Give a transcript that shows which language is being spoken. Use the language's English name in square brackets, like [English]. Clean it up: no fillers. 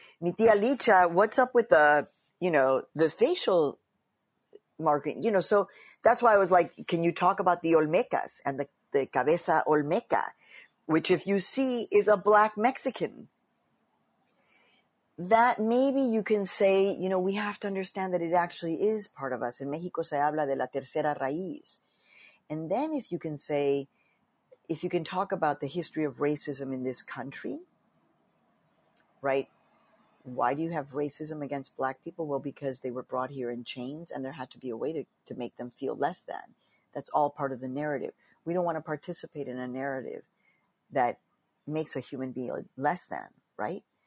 [Spanish] Mi tía Licha, [English] what's up with the, you know, the facial marking? You know, so that's why I was like, can you talk about the Olmecas and the Cabeza Olmeca, which if you see is a Black Mexican? That maybe you can say, you know, we have to understand that it actually is part of us. [Spanish] In Mexico se habla de la tercera raíz. [English] And then if you can say, if you can talk about the history of racism in this country, right? Why do you have racism against Black people? Well, because they were brought here in chains and there had to be a way to make them feel less than. That's all part of the narrative. We don't want to participate in a narrative that makes a human being less than, right?